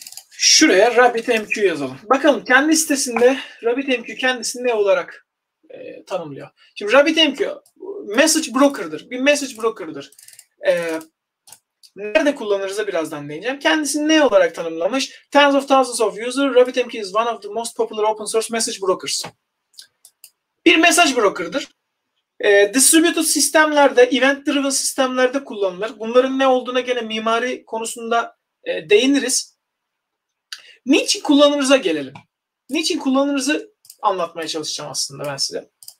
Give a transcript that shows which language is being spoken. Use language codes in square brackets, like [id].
[tr] Şuraya RabbitMQ yazalım. Bakalım kendi sitesinde RabbitMQ kendisini ne olarak tanımlıyor. Şimdi RabbitMQ message broker'dır. Bir message broker'dır. Nerede kullanırız'a birazdan değineceğim. Kendisini ne olarak tanımlamış? [en] Tens of thousands of users. RabbitMQ is one of the most popular open source message brokers. [tr] Bir message broker'dır. Distributed sistemlerde, event driven sistemlerde kullanılır. Bunların ne olduğuna gene mimari konusunda değiniriz. Niçin kullanımıza gelelim? Niçin kullanımıza anlatmaya çalışacağım aslında ben size.